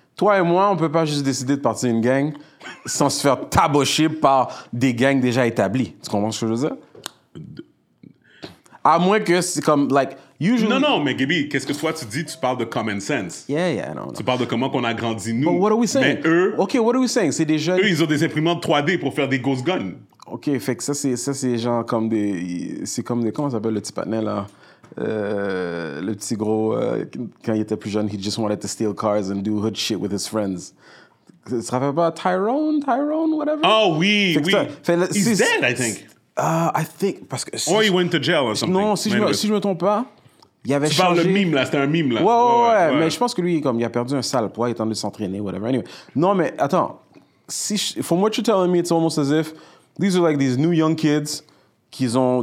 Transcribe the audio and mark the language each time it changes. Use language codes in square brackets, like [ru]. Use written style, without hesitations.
[fr] Toi et moi, on peut pas juste décider de partir une gang sans se faire tabocher par des gangs déjà établis. Tu comprends ce que je veux dire? À moins que c'est comme, like, [en] Usually, [fr] non, non, mais Gaby, qu'est-ce que toi tu dis? Tu parles de [en] common sense. [fr] Yeah, yeah, non, non. Tu parles de comment qu'on a grandi, nous. [en] But what are we saying? [fr] Mais eux... [en] OK, what are we saying? [fr] C'est des jeunes... Eux, ils ont des imprimantes 3D pour faire des ghost guns. OK, fait que ça, c'est genre comme des... C'est comme des... Comment ça s'appelle le petit panel, là? Le petit gros... quand il était plus jeune, [en] he just wanted to steal cars and do hood shit with his friends. [fr] Tu te rappelles pas? Tyrone, whatever? Oh, oui, oui. Fait, he's c'est, dead, c'est, I think. [en] I think, [fr] parce que... [en] Si or he went to jail or something. [fr] Non, si, si je me trompe pas, il avait tu changé... Tu parles de mime, là, c'était un mime, là. Ouais, ouais, ouais, ouais, ouais. Mais je pense que lui, comme, il a perdu un sale poids, il est en train de s'entraîner, whatever. [en] Anyway. [fr] Non, mais attends, si je, [en] from what you're telling me, it's almost as if these are like these new young kids [fr] qu'ils ont...